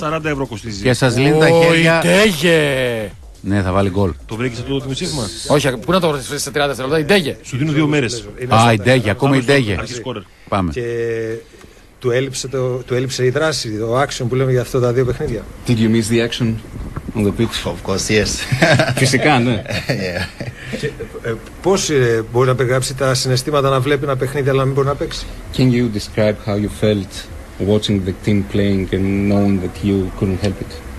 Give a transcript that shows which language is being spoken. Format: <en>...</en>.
<el>40 ευρώ κοστίζει. Και σας λύνει τα χέρια. Ιντέγε! Ναι, θα βάλει γκολ. Το βρήκε αυτό το δημοσίευμα. Όχι, πού να το βρει σε 30 δευτερόλεπτα. Ιντέγε! Σου δίνω δύο μέρες. Α, Ιντέγε, ακόμα Ιντέγε. Πάμε. Και του έλειψε η δράση, το action που λέμε για αυτά τα δύο παιχνίδια.</el> <en>Did you miss the action on the pitch? Of course, yes.</en> <el>Φυσικά, ναι. Πώς μπορεί να περιγράψει τα συναισθήματα να βλέπει ένα παιχνίδι αλλά να μην μπορεί να παίξει.</el> <en>Can you describe how you felt watching the team playing and knowing that you couldn't help it?</en>